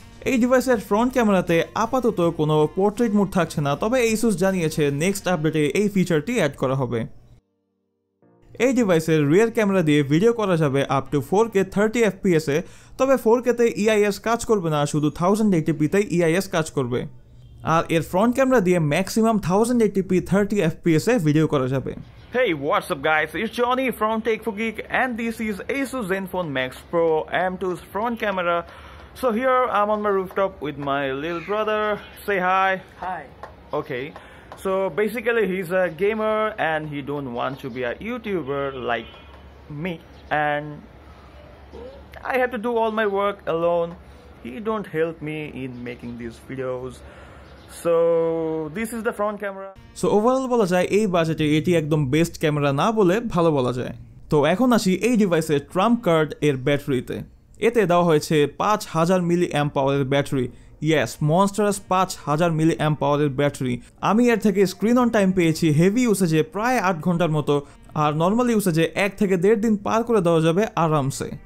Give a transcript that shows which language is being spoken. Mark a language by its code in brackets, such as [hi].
[bn] এই ডিভাইসের ফ্রন্ট ক্যামেরাতে আপাতত কোনো পোর্ট্রেট মোড থাকছে না, তবে এইসুস জানিয়েছে নেক্সট আপডেটে এই ফিচারটি অ্যাড করা হবে। এই ডিভাইসের রিয়ার ক্যামেরা দিয়ে ভিডিও করা যাবে আপ টু 4K 30 FPS, তবে 4K তে EIS কাজ করবে না, শুধু 1080p তে EIS কাজ করবে। আর এর ফ্রন্ট ক্যামেরা দিয়ে ম্যাক্সিমাম 1080p 30 FPS ভিডিও করা যাবে। [en] Hey, what's up guys, it's Johnny from TechFo Geek and this is Asus Zenfone Max Pro M2's front camera. So here I'm on my rooftop with my little brother. Say hi. Hi. Okay, so basically he's a gamer and he don't want to be a YouTuber like me, and I have to do all my work alone. He don't help me in making these videos. So this is the front camera. So overall [bn] বলা যায় এই বাজেটে এটি একদম best camera না বলে ভালো বলা যায়। তো এখন আসি এই ডিভাইসের ট্রাম্প কার্ড এর ব্যাটারিতে। এতে দেওয়া হয়েছে 5000 mAh battery. Yes, মনস্টারাস 5000 mAh battery. আমি এর থেকে স্ক্রিন অন টাইম পেয়েছি হেভি ইউসেজে প্রায় 8 ঘন্টার মতো, আর নর্মাল ইউসেজে 1 থেকে 1.5 দিন পার করে দেওয়া যাবে আরামসে।